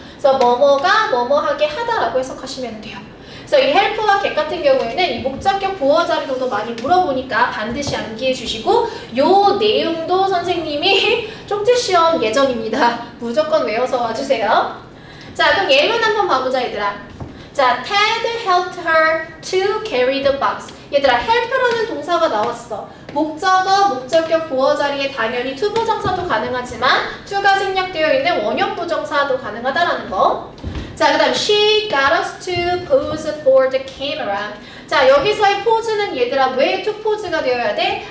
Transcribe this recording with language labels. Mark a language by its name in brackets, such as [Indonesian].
[Korean] 그래서 뭐뭐가 뭐뭐하게 하다라고 해석하시면 돼요. 그래서 이 헬프와 get 같은 경우에는 이 목적격 보어 자리도 많이 물어보니까 반드시 암기해 주시고 요 내용도 선생님이 쪽지시험 예정입니다. 무조건 외워서 와주세요. 자, 그럼 예문 한번 봐보자 얘들아. [English] 자, Ted helped her to carry the box. [Korean] 얘들아, help라는 동사가 나왔어. 목적어, 목적격 보어 자리에 당연히 to 부정사도 가능하지만 to가 생략되어 있는 원형 부정사도 가능하다라는 거. 자, 그 다음 [English] she got us to pose for the camera. [Korean] 자, 여기서의 pose는 얘들아 왜 to pose가 되어야 돼?